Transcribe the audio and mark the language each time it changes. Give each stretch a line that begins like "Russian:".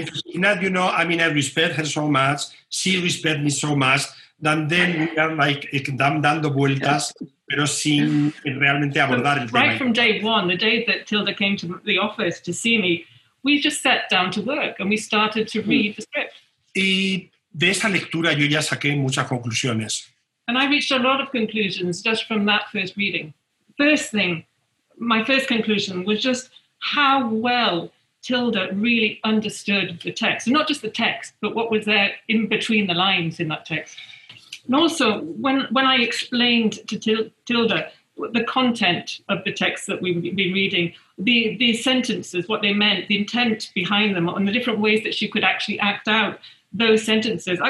English: Because if not, you know, I mean, I respect her so much. She respects me so much. Then we are like
Spanish: dando vueltas, pero sin realmente abordar el tema.
English: Right from day one, the day that Tilda came to the office to see me, we just sat down to work and we started to read the script.
Spanish: Y de esa lectura yo ya saqué muchas conclusiones.
English: And I reached a lot of conclusions just from that first reading. First thing, my first conclusion was just how well Tilda really understood the text. Not just the text, but what was there in between the lines in that text. And also, when I explained to Tilda the content of the text that we've been reading, the sentences, what they meant, the intent behind them, and the different ways that she could actually act out those sentences.